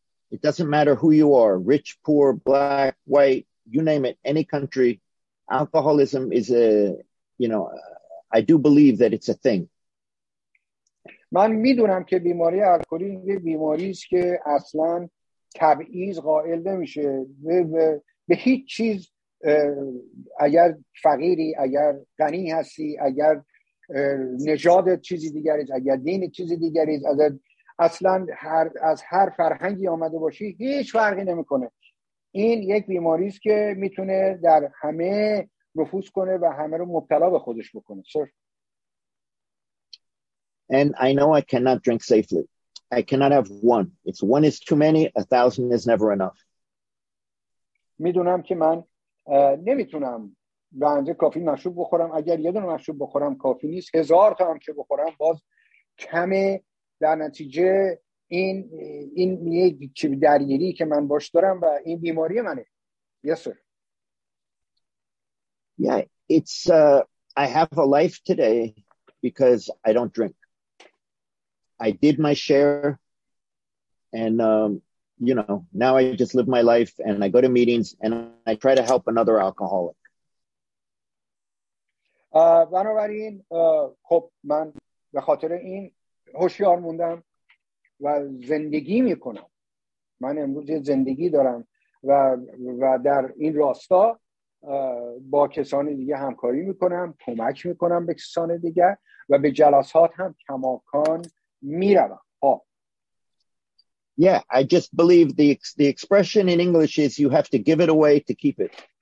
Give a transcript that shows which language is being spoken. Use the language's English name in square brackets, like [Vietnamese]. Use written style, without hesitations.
[English] It doesn't matter who you are, rich, poor, black, white, you name it, any country. Alcoholism is a, you know, I do believe that it's a thing. [Persian] من میدونم که بیماری الکلی یه بیماری است که اصلا تبعیض قائل نمیشه به هیچ چیز. اگر فقیری، اگر غنی هستی، اگر نژاد چیزی دیگری، اگر دین چیزی دیگری، اصلا از هر فرهنگی آمده باشی هیچ فرقی نمیکنه. این یک بیماری است که میتونه در همه نفوذ کنه و همه رو مبتلا به خودش بکنه. صرف [English] And I know I cannot drink safely. I cannot have one. If one is too many, 1,000 is never enough. [Persian] میدونم که من نمیتونم به اندازه کافی مشروب بخورم. اگر یه دونه مشروب بخورم کافی نیست. 1,000 تا هم که بخورم باز کمه. در نتیجه این یه درگیری که من باش دارم و این بیماری منه. [English] Yes, sir. Yeah, it's I have a life today because I don't drink. I did my share, and you know, now I just live my life, and I go to meetings, and I try to help another alcoholic. [Persian] بنابراین خب من به خاطر این هوشیار موندم و زندگی میکنم. من امروز زندگی دارم و در این راستا با کسان دیگه همکاری میکنم، کمک میکنم به کسان دیگه و به جلسات هم کماکان میروم. [English] Yeah, I just believe the expression in English is you have to give it away to keep it.